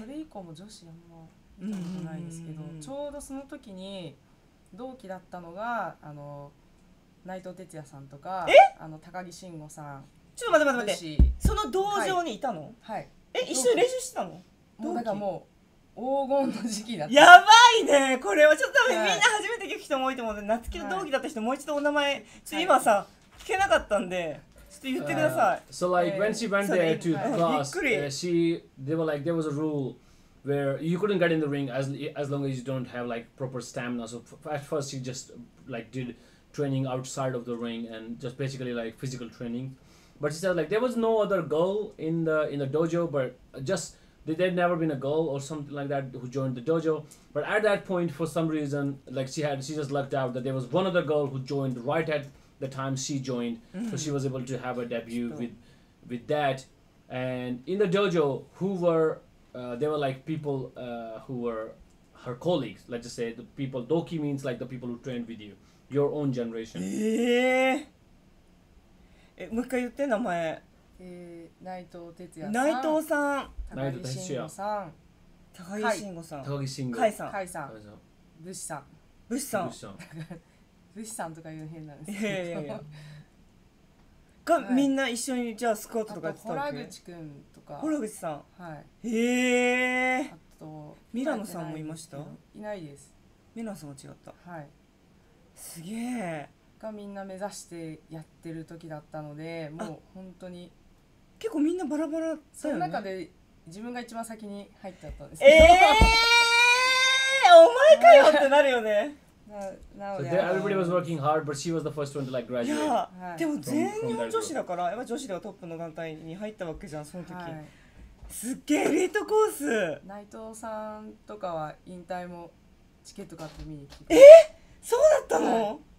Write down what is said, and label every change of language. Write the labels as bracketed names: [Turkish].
[Japanese] それ以降も女子あんま見たことないですけど、ちょうどその時に同期だったのがあの内藤哲也さんとか、あの高木慎吾さん、ちょっと待って待って待って、その道場にいたの、はい、え、一緒に練習してたの、もうだからもう黄金の時期だった。やばいね、これはちょっと多分みんな初めて聞く人も多いと思うので、夏希の同期だった人、もう一度お名前、ちょっと今さ、はい、聞けなかったんで、 [English] So like when she went there to class, she, they were like, there was a rule where you couldn't get in the ring as long as you don't have like proper stamina. So at first she just like did training outside of the ring and just basically like physical training. But she said like there was no other girl in the dojo, but just there had never been a girl or something like that who joined the dojo. But at that point, for some reason, like she just lucked out that there was one other girl who joined right at the time she joined, mm-hmm. so she was able to have a debut sure. with that. And in the dojo, there were like people who were her colleagues. Let's just say the people Doki means like the people who trained with you, your own generation. [Japanese] え、もう一回言って名前。内藤哲也さん。内藤さん。高木慎吾さん。高木慎吾さん。高木慎吾。海さん。海さん。武士さん。武士さん。武士さんとか言うの変なんですけど。いやいやいや。が、はい、みんな一緒にじゃあスクワットとかやってたっけ？あと洞口くんとか。洞口さん。はい。へえ。あとミラノさんもいました？いないです。ミラノさんも違った。はい。すげえ。がみんな目指してやってる時だったのでもう本当に結構みんなバラバラだよね。その中で自分が一番先に入っちゃったんですけど、お前かよってなるよね。なので、 [English] so、everybody was working hard but she was the first one to like graduate。 [Japanese] いや、はい、でも全日本女子だからやっぱ女子ではトップの団体に入ったわけじゃんその時、はい、すっげーエリートコース。内藤さんとかは引退もチケット買って見に来て、そうだったの、はい、